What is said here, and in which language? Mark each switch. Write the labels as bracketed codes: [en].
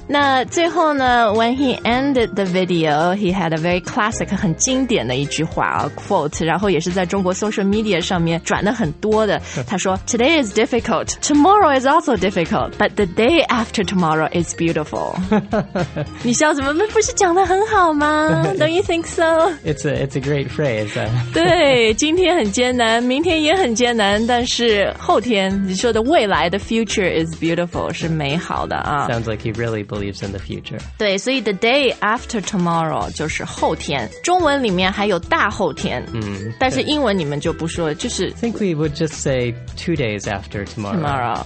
[zh] 那最后呢 [en] When he ended the video, he had a very classic [zh] 很经典的一句话 [en] quote [zh] 然后也是在中国 [en] social media [zh] 上面转的很多的他说 [en] Today is difficult, tomorrow is also difficult, but the day after tomorrow is beautiful [zh] 你笑什么那不是讲得很好吗 [en] Don't you think so? It's a great phrase [zh] 对今天很艰难明天也很艰难但是后天你说的未来 [en] the future is beautiful [zh] 是美好的啊 [en] Sounds like he really believes in the future [zh] 对所以 [en] the day after tomorrow [zh] 就是后天，中文里面还有大后天，但是英文你们就不说，就是 [en] I think we would just say 2 days after tomorrow.